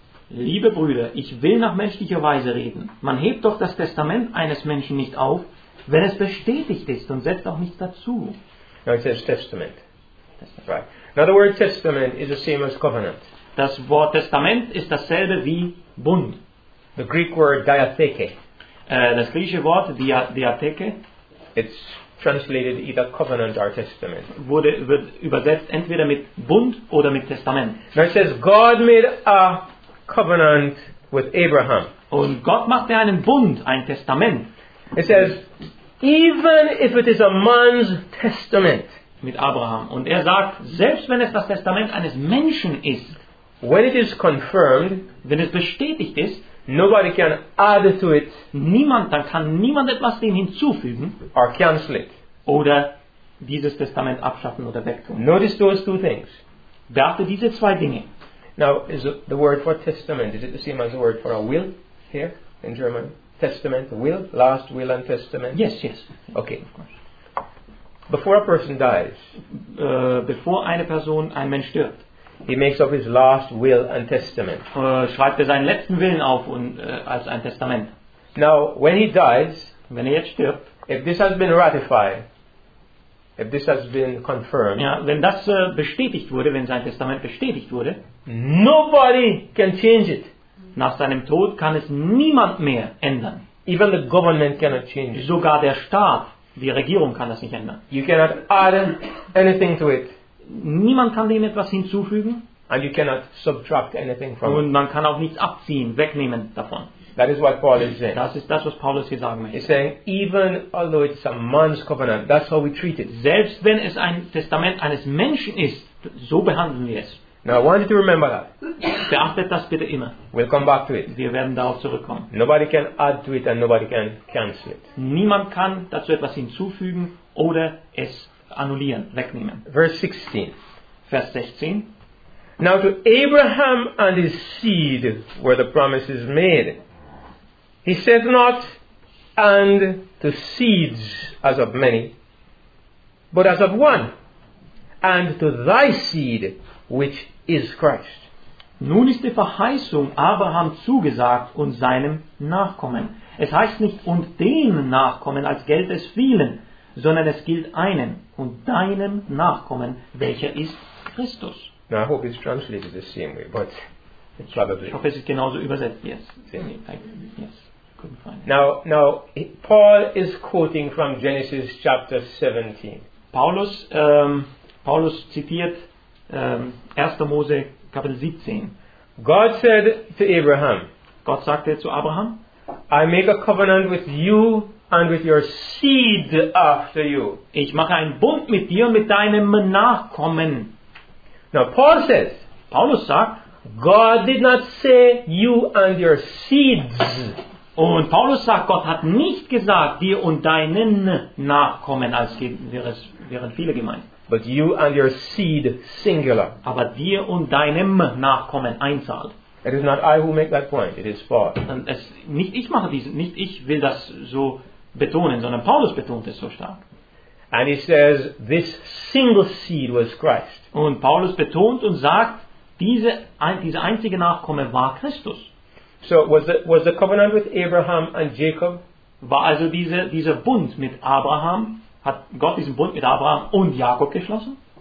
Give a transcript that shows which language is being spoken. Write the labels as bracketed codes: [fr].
[de] Liebe Brüder, ich will nach menschlicher Weise reden. Man hebt doch das Testament eines Menschen nicht auf, wenn es bestätigt ist und setzt auch nichts dazu. [en] Now it says Testament. Right. Now the word Testament is the same as covenant. [de] Das Wort Testament ist dasselbe wie Bund. [en] The Greek word diatheke. [de] Das griechische Wort diatheke. [en] It's translated either covenant or testament. [de] Wird übersetzt entweder mit Bund oder mit Testament. [en] Now it says God made a covenant with Abraham. [de] Und Gott machte einen Bund, ein Testament. [en] It says, even if it is a man's testament. [de] mit Abraham. Und er sagt, selbst wenn es das Testament eines Menschen ist, [en] when it is confirmed, [de] wenn es bestätigt ist, [en] nobody can add to it, [de] niemand, dann kann niemand etwas dem hinzufügen [en] or cancel it, [de] oder dieses Testament abschaffen oder wegtun. [en] Notice those two things. [de] Beachte diese zwei Dinge. [en] Now, is the word for testament, is it the same as the word for a will here in German? Testament, will, last will and testament? Yes, yes. Okay. Before a person dies, [de] bevor eine Person, ein Mensch stirbt, [en] he makes up his last will and testament. [de] Schreibt er seinen letzten Willen auf und als ein Testament. [en] Now, when he dies, [de] wenn er jetzt stirbt, [en] if this has been ratified, if this has been confirmed, [de] ja, wenn das bestätigt wurde, wenn sein Testament bestätigt wurde, [en] nobody can change it. [de] Nach seinem Tod kann es niemand mehr ändern. [en] Even the government cannot change it. [de] Sogar der Staat, die Regierung kann das nicht ändern. [en] You cannot add anything to it. [de] Niemand kann dem etwas hinzufügen. [en] And you cannot subtract anything from [de] und man kann auch nichts abziehen, wegnehmen davon. [en] That is what Paul is saying. [de] Das ist das, was Paulus hier sagen möchte. [en] He's saying, even although it's a man's covenant, that's how we treat it. [de] Selbst wenn es ein Testament eines Menschen ist, so behandeln wir es. [en] Now I want you to remember that. [de] Beachtet das bitte immer. [en] We'll come back to it. [de] Wir werden darauf zurückkommen. [en] Nobody can add to it and nobody can cancel it. [de] Niemand kann dazu etwas hinzufügen oder es annullieren, wegnehmen. Vers 16. [en] Now to Abraham and his seed were the promises made. He said not, and to seeds as of many, but as of one, and to thy seed, which is Christ. [de] Nun ist die Verheißung Abraham zugesagt und seinem Nachkommen. Es heißt nicht, und den Nachkommen, als gelte es vielen, sondern es gilt einem und deinem Nachkommen, welcher ist Christus. [en] Now I hope it's translated the same way, but it's probably... [de] Ich hoffe, es ist genauso übersetzt, yes. [en] Same way. Yes. Now, Paul is quoting from Genesis chapter 17. [de] Paulus zitiert 1. Mose Kapitel 17. [en] God said to Abraham. [de] Gott sagte zu Abraham. [en] I make a covenant with you and with your seed after you. [de] Ich mache einen Bund mit dir und mit deinem Nachkommen. [en] Now Paul says. [de] Paulus sagt. [en] God did not say you and your seeds. [de] Und Paulus sagt, Gott hat nicht gesagt, dir und deinen Nachkommen, als wären viele gemeint. [en] But you and your seed, singular. [de] Aber dir und deinem Nachkommen, Einzahl. [en] It is not I who make that point, it is Paul. [de] Und es, nicht ich mache diesen, nicht ich will das so betonen, sondern Paulus betont es so stark. [en] And he says, this single seed was Christ. [de] Und Paulus betont und sagt, diese einzige Nachkomme war Christus. [en] So was the covenant with Abraham and Jacob? [de] War also dieser Bund mit Abraham, hat Gott diesen Bund mit Abraham und Jakob geschlossen?